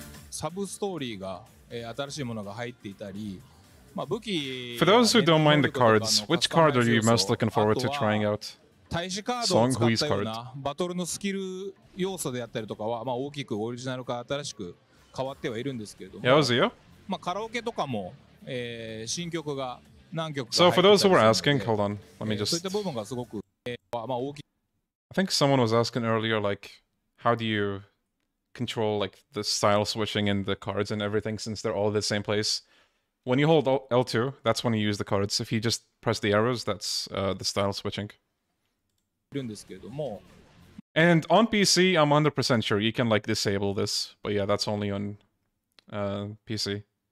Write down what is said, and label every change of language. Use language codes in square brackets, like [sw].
[ja] サブストーリーが、新しいものが入っていたり、まあ、武器 [en] For those who don't mind the cards, which card are you most looking forward to trying out? [ja] 大使カードを使ったようなバトルのスキル要素であったりとかは、まあ、大きくオリジナルから新しく変わってはいるんですけれども [en] 、yeah, [ja] まあ、カラオケとかも、新曲が何曲か入っていたりするので、 [en] So for those who were asking, hold on, let me just [ja] そういった部分がすごく、まあ、大きい [en] I think someone was asking earlier, like, how do youcontrol like the style switching and the cards and everything since they're all in the same place. When you hold L2, that's when you use the cards. If you just press the arrows, that's the style switching. And on PC, I'm 100% sure you can like disable this, but yeah, that's only on PC.